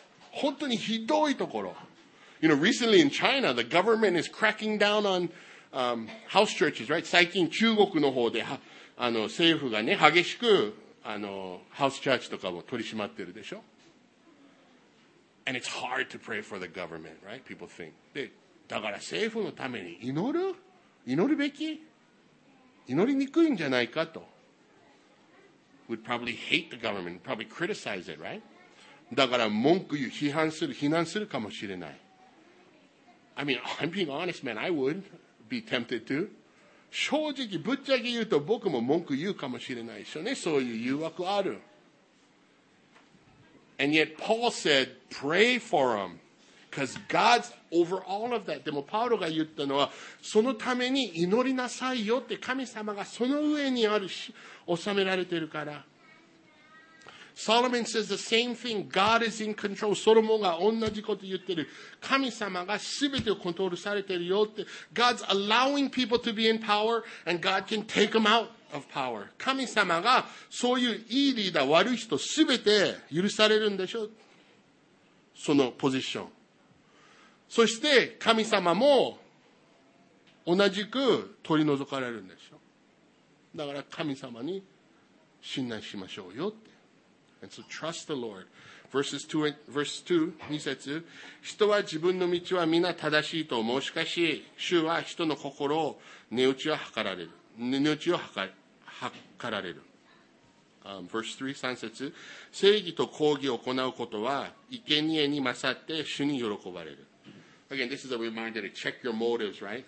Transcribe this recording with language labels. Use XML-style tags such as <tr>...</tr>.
<ja>本当にひどいところ。</ja> <en>You know, recently in China, the government is cracking down on, house churches, right?</en> <ja>最近中国の方で、政府がね、激しく、house church とかを取り締まってるでしょ。</ja> <en>And it's hard to pray for the government, right? People think.</en> <ja>で、だから政府のために祈る?祈るべき? 祈りにくいんじゃないかと。</ja> <en>We'd probably hate the government, probably criticize it, right?</en> <ja>だから文句言う、批判する、非難するかもしれない。</ja> <en>I mean, I'm being honest, man, I would be tempted to.</en> <ja>正直、ぶっちゃけ言うと僕も文句言うかもしれないでしょうね。そういう誘惑ある。</ja> <en>And yet Paul said, pray for them. Because God's over all of that.</en> <ja>でもパウロが言ったのは、そのために祈りなさいよって神様がその上にあるし、収められてるから。</ja> <en>Solomon says the same thing. God is in control.</en> <ja>ソロモンが同じこと言ってる。神様が全てをコントロールされてるよって。</ja> <en>God's allowing people to be in power and God can take them out. Of power.</en> <ja>神様がそういういいリーダー悪い人すべて許されるんでしょう。そのポジション。そして神様も同じく取り除かれるんでしょう。だから神様に信頼しましょうよって。</ja> <en>And so trust the Lord. Verses 2, 2節。</en> <ja>人は自分の道は皆正しいと思う。しかし主は人の心を値打ちを図られる。値打ちを図る。測られる。Verse 3, 3節。正義と公義を行うことは、生贄に勝って主に喜ばれる。</ja> <en>again, this is a reminder to check your motives, right?</en>